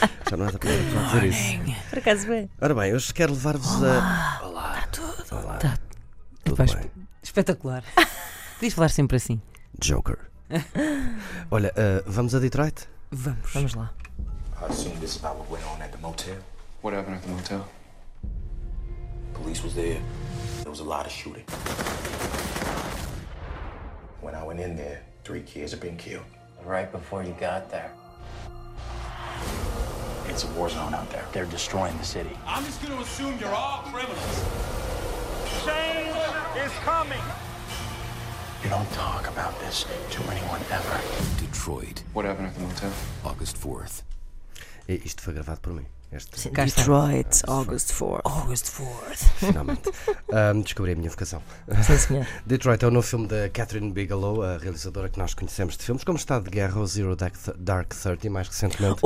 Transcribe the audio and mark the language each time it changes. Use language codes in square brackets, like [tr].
[pt] Já não é da primeira vez a dizer isso. Por acaso bem. Ora bem, hoje quero levar-vos Olá. Está tudo. Olá. Está tudo bem. Espetacular. Podias falar sempre assim. Joker. Olha, vamos a Detroit? Vamos. Vamos lá. [en] I assume this is about what went on at the motel. What happened at the motel? Police was there. There was a lot of shooting. When I went in there, three kids had been killed. Right before you got there. It's a war zone out there. They're destroying the city. I'm just gonna assume you're all criminals. Shane is coming. You don't talk about this to anyone ever. Detroit. What happened at the motel? August 4th. [pt] Isto foi gravado por mim. [en] Detroit, August 4th. August 4th. [pt] Finalmente. Descobri a minha vocação. Sim, senhor. Detroit é o novo filme da Catherine Bigelow, a realizadora que nós conhecemos de filmes como Estado de Guerra ou Zero Dark Thirty, mais recentemente.